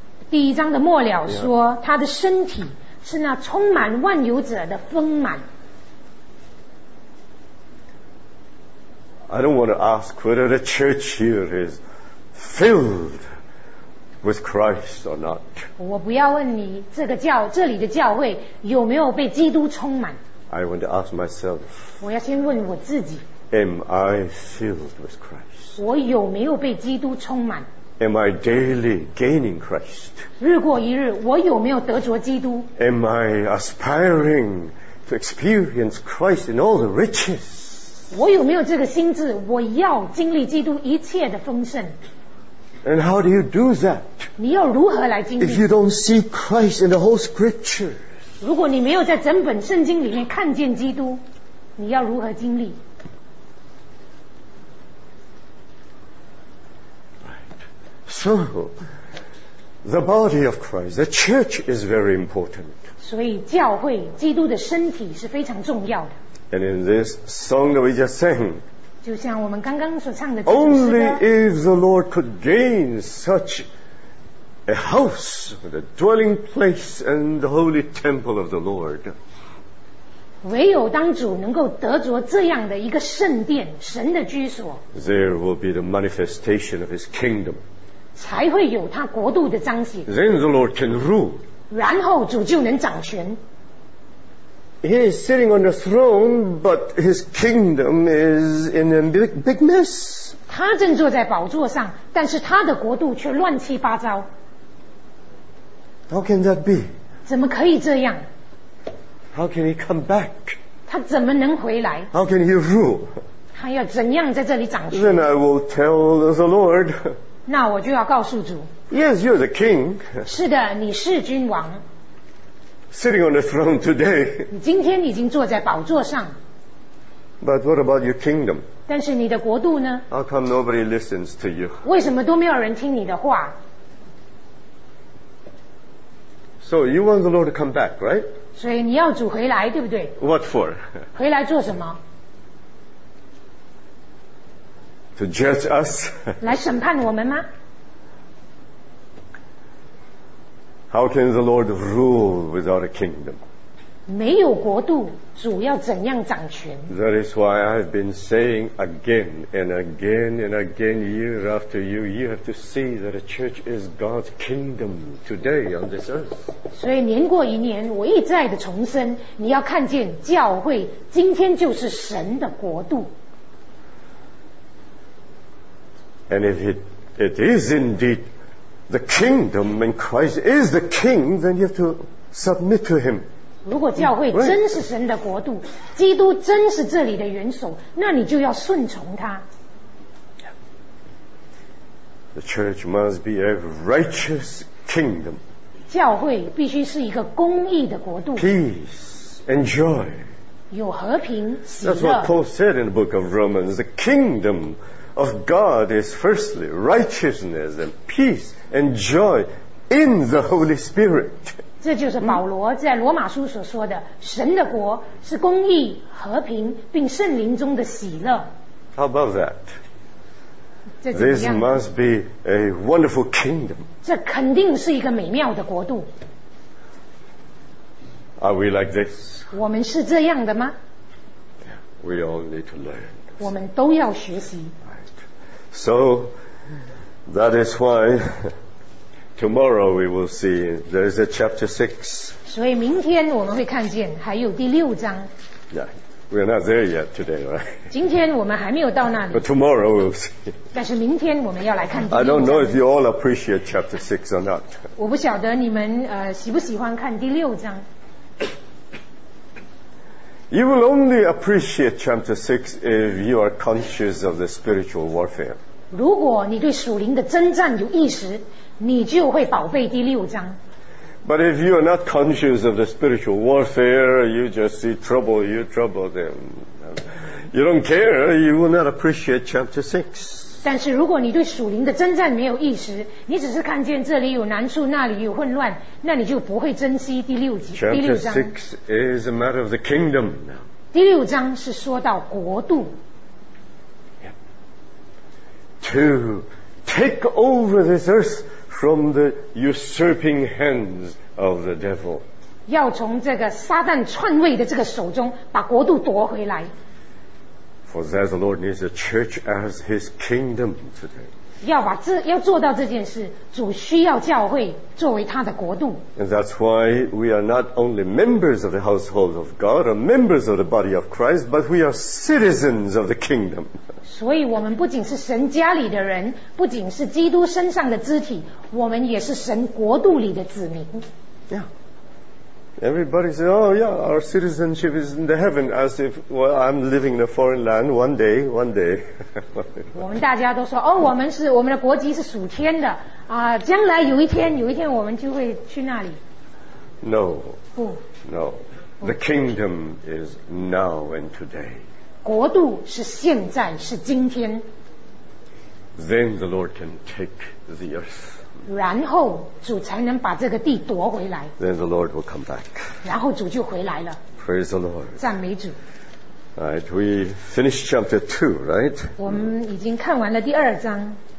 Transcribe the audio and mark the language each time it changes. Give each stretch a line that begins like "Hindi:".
Chinese: 第一章的末了说，他的身体是那充满万有者的丰满。
English: I don't want to ask whether the church here is filled. With Christ or not?
Chinese: 我不要问你这个教这里的教会有没有被基督充满。
English: I want to ask myself.
Chinese: 我要先问我自己。
English: Am I filled with Christ?
Chinese: 我有没有被基督充满
English: ？Am I daily gaining Christ?
Chinese: 日过一日，我有没有得着基督
English: ？Am I aspiring to experience Christ in all the riches?
Chinese: 我有没有这个心智？我要经历基督一切的丰盛。
English: And how do you do that?
Chinese: 你要如何来经历？
English: If you don't see Christ in the whole scriptures,
Chinese: 如果你没有在整本圣经里面看见基督，你要如何经历？
English: So, the body of Christ, the church is very important.
Chinese: 所以教会，基督的身体是非常重要的。
English: And in this song that we just sang,
Chinese: 就像我们刚刚所唱的
English: Only if the Lord could gain such a house, the dwelling place, and the holy temple of the Lord.
Chinese: 唯有当主能够得着这样的一个圣殿，神的居所。
English: There will be the manifestation of His kingdom.
Chinese: 才会有他国度的彰显。
English: Then the Lord can rule.
Chinese: 然后主就能掌权。
English: He is sitting on the throne, but His kingdom is in a big mess.
Chinese: 他正坐在宝座上，但是他的国度却乱七八糟。
English: How can that be?
Chinese: 怎么可以这样？
English: How can he come back?
Chinese: 他怎么能回来?
English: How can he rule?
Chinese: 他要怎样在这里掌权?
English: Then I will tell the Lord.
Chinese: 那我就要告诉主。
English: Yes, you're the king.
Chinese: 是的，你是君王。
English: Sitting on the throne today.
Chinese: 你今天已经坐在宝座上。
English: But what about your kingdom?
Chinese: 但是你的国度呢?
English: How come nobody listens to you?
Chinese: 为什么都没有人听你的话?
English: So you want the Lord to come back, right?
Chinese: 所以你要主回来，对不对？
English: What for?
Chinese: 回来做什么？
English: To judge us?
Chinese: 来审判我们吗？
English: How can the Lord rule without a kingdom?
Chinese: 没有国度，主要怎样掌权？
English: That is why I've been saying again and again and again, year after year, you have to see that the church is God's kingdom today on this earth.
Chinese: 所以年过一年，我一再的重申，你要看见教会今天就是神的国度。
English: And if it is indeed the kingdom and Christ is the king, then you have to submit to him.
Chinese: 如果教会真是神的国度、right. 基督真是这里的元首，那你就要顺从他。
English: The church must be a righteous kingdom.
Chinese: 教会必须是一个公义的国度。
English: Peace and joy.
Chinese: 有和平喜乐。
English: That's what Paul said in the book of Romans. The kingdom of God is firstly righteousness and peace and joy in the Holy Spirit.
Chinese: 这就是保罗在罗马书所说的、嗯、神的国是公义和平并圣灵中的喜乐。
English: How about that?
Chinese: 这
English: This must be a wonderful kingdom.
Chinese: 这肯定是一个美妙的国度。
English: Are we like this?
Chinese: 我们是这样的吗？
English: We all need to learn.
Chinese: 我们都要学习。
English: So that is why Tomorrow we will see there is a chapter 6.
Chinese: 所以明天我们会看见还有第六章。
English: Yeah, we are not there yet today, right?
Chinese: 今天我们还没有到那里。
English: But tomorrow we will see.
Chinese: 但是明天我们要来看第六章。
English: I don't know if you all appreciate chapter 6 or not.
Chinese: 我不晓得你们喜不喜欢看第六章。
English: You will only appreciate chapter 6 if you are conscious of the spiritual warfare.
Chinese: 如果你对属灵的征战有意识，你就会宝贝第六章。
English: But if you are not conscious of the spiritual warfare, you just see trouble, you trouble them. You don't care, you will not appreciate chapter 6.
Chinese: 但是如果你对属灵的征战没有意识，你只是看见这里有难处，那里有混乱，那你就不会珍惜第六章。
English: Chapter 6 is a matter of the kingdom.
Chinese: 第六章是说到国度。
English: To take over this earth from the usurping hands of the devil.
Chinese: 要从这个撒旦篡位的这个手中把国度夺回来。
English: For that the Lord needs the church as his kingdom today.
Chinese: 要做到这件事，主需要教会作为他的国度。
English: And that's why we are not only members of the household of God or members of the body of Christ, but we are citizens of the kingdom.
Chinese: 所以我们不仅是神家里的人，不仅是基督身上的肢体，我们也是神国度里的子民。
English: Yeah. Everybody says, oh yeah, our citizenship is in the heaven, as if, well, I'm living in a foreign land one day.
Chinese: 我们大家都说，哦，我们的国籍是属天的，将来有一天我们就会去那里。
English: No.
Chinese: 不。
English: No. The kingdom is now and today.
Chinese: 国度是现在，是今天。
English: Then the Lord can take the earth.
Chinese: 然后主才能把这个地夺回来。
English: Then the Lord will come back.
Chinese: 然后主就回来了。
English: Praise the Lord.
Chinese: 赞美主。
English: Alright, we finished chapter 2, right?
Chinese: 我们已经看完了第二章。